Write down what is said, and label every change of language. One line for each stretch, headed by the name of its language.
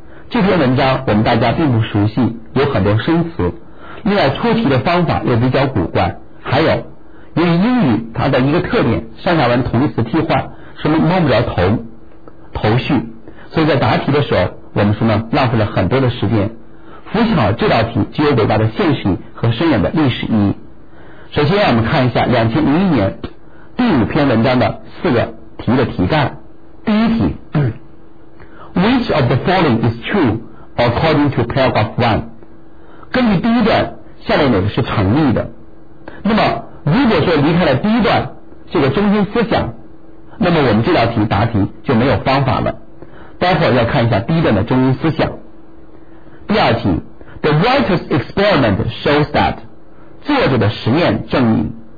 Chinese: 这篇文章我们大家并不熟悉，有很多生词，另外出题的方法也比较古怪，还有由于英语它的一个特点，上下文同义词替换，说明摸不着头绪，所以在答题的时候，我们说呢，浪费了很多的时间。复习好这道题，具有伟大的现实和深远的历史意义。首先，让我们看一下2001年第五篇文章的四个题的题干。第一题，
English: Which of the following is true according to paragraph one？
Chinese: 根据第一段，下列哪个是成立的？那么，如果说离开了第一段这个中心思想，那么我们这道题答题就没有方法了。待会儿要看一下第一段的中心思想。第二题
English: The writer's experiment shows that，
Chinese: 作者的实验证明。